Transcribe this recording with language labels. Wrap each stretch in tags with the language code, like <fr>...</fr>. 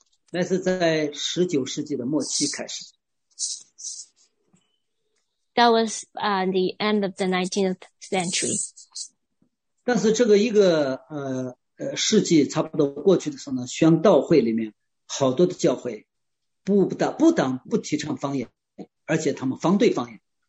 <zh>那是在19世纪的末期开始。</zh> <en>That was the end of the 19th century.</en> <zh>但是这个一个世纪差不多过去的时候呢，宣道会里面好多的教会不提倡方言，而且他们反对方言。</zh>